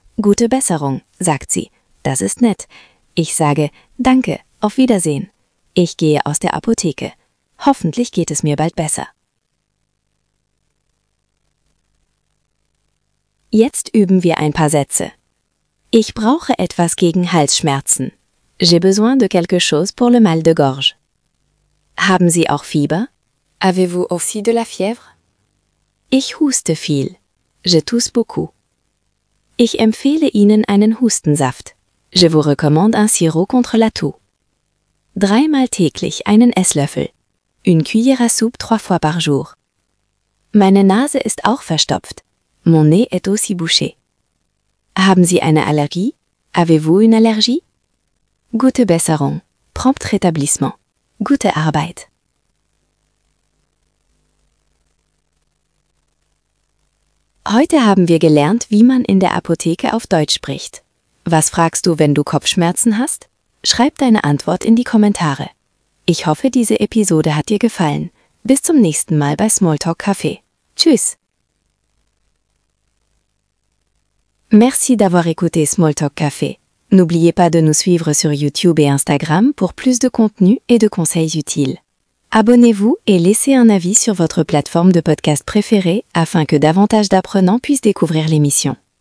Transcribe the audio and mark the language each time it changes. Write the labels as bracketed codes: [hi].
[de] Gute Besserung, sagt sie. Das ist nett. Ich sage, danke, auf Wiedersehen. Ich gehe aus der Apotheke. Hoffentlich geht es mir bald besser. Jetzt üben wir ein paar Sätze. Ich brauche etwas gegen Halsschmerzen. [fr] J'ai besoin de quelque chose pour le mal de gorge. [de] Haben Sie auch Fieber? [fr] Avez-vous aussi de la fièvre? [de] Ich huste viel. [fr] Je tousse beaucoup. [de] Ich empfehle Ihnen einen Hustensaft. [fr] Je vous recommande un sirop contre la toux. [de] Dreimal täglich einen Esslöffel. [fr] Une cuillère à soupe trois fois par jour. [de] Meine Nase ist auch verstopft. [fr] Mon nez est aussi bouché. [de] Haben Sie eine Allergie? [fr] Avez-vous une allergie? [de] Gute Besserung. [fr] Prompt rétablissement. [de] Gute Arbeit. Heute haben wir gelernt, wie man in der Apotheke auf Deutsch spricht. Was fragst du, wenn du Kopfschmerzen hast? Schreib deine Antwort in die Kommentare. Ich hoffe, diese Episode hat dir gefallen. Bis zum nächsten Mal bei Smalltalk Café. Tschüss! [fr] Merci d'avoir écouté Smalltalk Café. N'oubliez pas de nous suivre sur YouTube et Instagram pour plus de contenu et de conseils utiles. Abonnez-vous et laissez un avis sur votre plateforme de podcast préférée afin que davantage d'apprenants puissent découvrir l'émission.